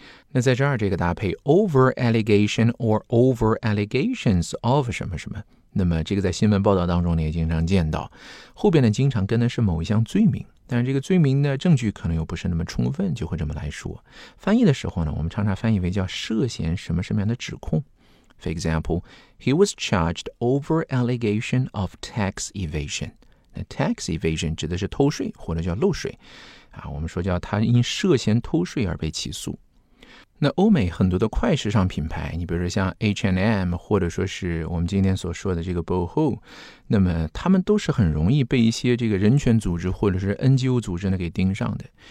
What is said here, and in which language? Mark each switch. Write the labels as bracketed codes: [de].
[zh] 那在这儿这个搭配 [en] over allegation or over allegations of [zh] 什么什么，那么这个在新闻报道当中你也经常见到，后边呢经常跟的是某一项罪名，但是这个罪名的证据可能又不是那么充分，就会这么来说。翻译的时候呢，我们常常翻译为叫涉嫌什么什么样的指控。 [en] For example, he was charged over allegation of tax evasion. [zh] 那 tax evasion 指的是偷税或者叫漏税。我们说叫他因涉嫌偷税而被起诉。那欧美很多的快时尚品牌，你比如说像 H&M 或者说是我们今天所说的这个 Boohoo， 那么他们都是很容易被一些这个人权组织或者是 NGO 组织呢给盯上的，